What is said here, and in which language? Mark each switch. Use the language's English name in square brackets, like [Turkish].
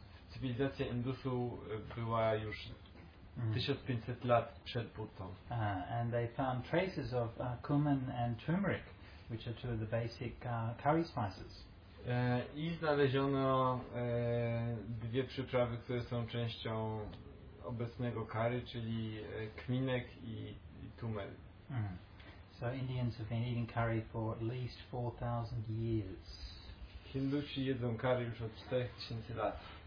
[Polish] Cywilizacja Indusu była już 1500 lat przed Buddą. [English] And they found traces of cumin and turmeric, which are two of the basic curry spices. [Polish] I znaleziono dwie przyprawy, które są częścią obecnego curry, czyli kminek i tumel. [English] So Indians have been eating curry for at least 4,000 years. [Polish] Hindusi jedzą curry już od 4,000 lat.